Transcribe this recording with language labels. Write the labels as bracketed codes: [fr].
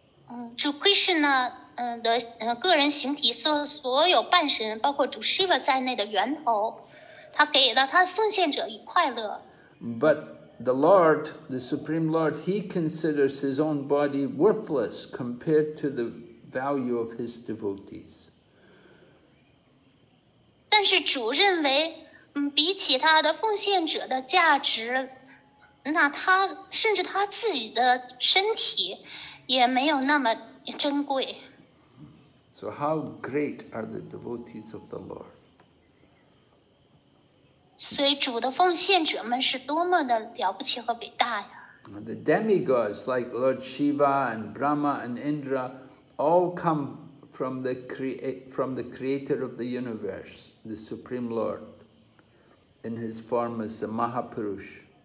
[zh] Lord Krishna, 个人形体是所有半神，包括主 Shiva 在内的源头，他给了他奉献者以快乐。 [en] But the Lord, the Supreme Lord, he considers his own body worthless compared to the value of his devotees. [zh] 但是主认为，比起他的奉献者的价值，那他甚至他自己的身体也没有那么珍贵。 [en] So how great are the devotees of the Lord? [zh] 所以主的奉献者们是多么的了不起和伟大呀。 [en] The demigods like Lord Shiva and Brahma and Indra all come from the creator of the universe, the Supreme Lord, in his form as the Mahapurush.